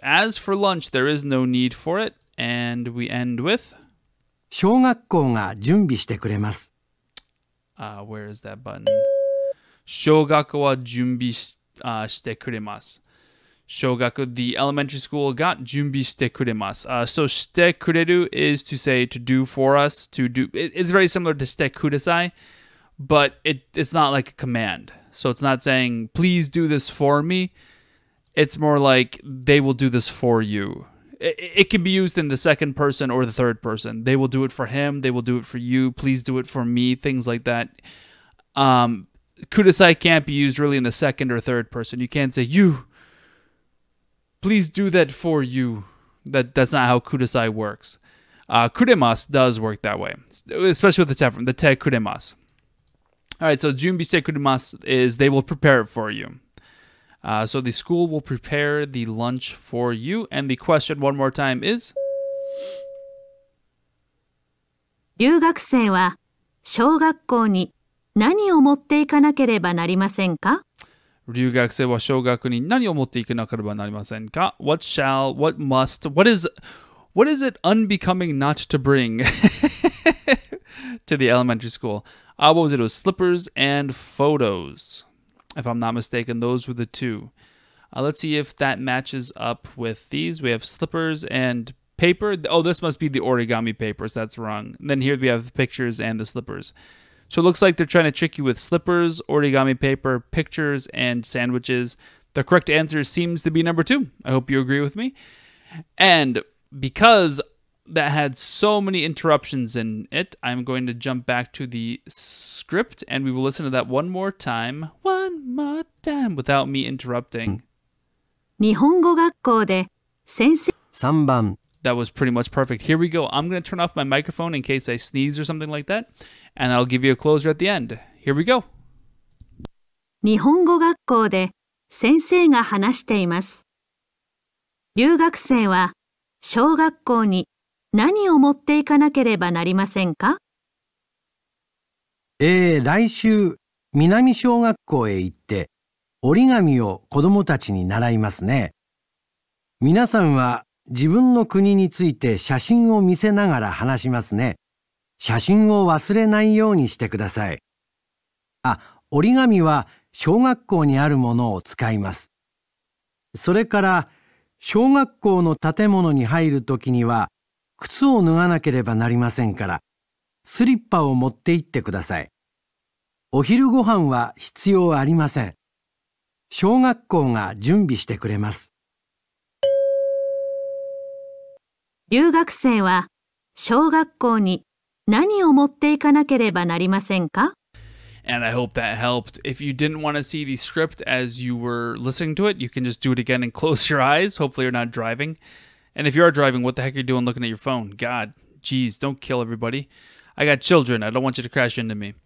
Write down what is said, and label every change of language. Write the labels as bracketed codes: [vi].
[en] As for lunch, there is no need for it. And we end with... [ja] 小学校が準備してくれます。 [en] Where is that button? [ja] 小学校は準備してくれます。小学校, [en] the elementary school, [ja] が準備してくれます。 [en] So, [ja] してくれる [en] is to say to do for us, to do... It's very similar to [ja] してください, [en] but it's not like a command. So it's not saying, please do this for me. It's more like, they will do this for you. It can be used in the second person or the third person. They will do it for him. They will do it for you. Please do it for me. Things like that. Kudasai can't be used really in the second or third person. You can't say, you, please do that for you. That's not how kudasai works. Kuremasu does work that way, especially with the te from the [ja] te kuremasu. [en] All right, so [ja] junbi shite kuremasu [en] is they will prepare it for you. So the school will prepare the lunch for you. And the question one more time is... [ja] 留学生は小学校に何を持っていかなければなりませんか? 留学生は小学校に何を持っていかなければなりませんか? [en] What shall, what must, what is it unbecoming not to bring to the elementary school? What was it? It was slippers and photos. If I'm not mistaken, those were the two. Let's see if that matches up with these. We have slippers and paper. Oh, this must be the origami papers. That's wrong. And then here we have the pictures and the slippers. So it looks like they're trying to trick you with slippers, origami paper, pictures, and sandwiches. The correct answer seems to be number two. I hope you agree with me. And because that had so many interruptions in it, I'm going to jump back to the script and we will listen to that one more time. One more time without me interrupting. [ja] 日本語学校で先生 3番 [en] That was pretty much perfect. Here we go. I'm going to turn off my microphone in case I sneeze or something like that. And I'll give you a closure at the end. Here we go. [ja] 日本語学校で先生が話しています。留学生は小学校に何を持っていかなければなりませんか？来週南小学校へ行って折り紙を子どもたちに習いますね。皆さんは自分の国について写真を見せながら話しますね。写真を忘れないようにしてください。折り紙は小学校にあるものを使います。それから、小学校の建物に入るときには、靴を脱がなければなりませんから、スリッパを持って行ってください。お昼ご飯は必要ありません。小学校が準備してくれます。留学生は小学校に何を持っていかなければなりませんか？ [en] And I hope that helped. If you didn't want to see the script as you were listening to it, you can just do it again and close your eyes. Hopefully you're not driving. And if you are driving, what the heck are you doing looking at your phone? God, geez, don't kill everybody. I got children. I don't want you to crash into me.